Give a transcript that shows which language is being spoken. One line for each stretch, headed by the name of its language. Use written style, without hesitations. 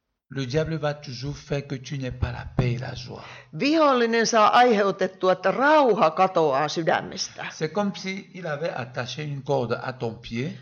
French: Le diable va toujours faire que tu n'aies pas la paix et la joie.
Finnish: Vihollinen saa aiheutettua, että rauha katoaa sydämestä.
French: C'est comme si il avait attaché une corde à ton pied.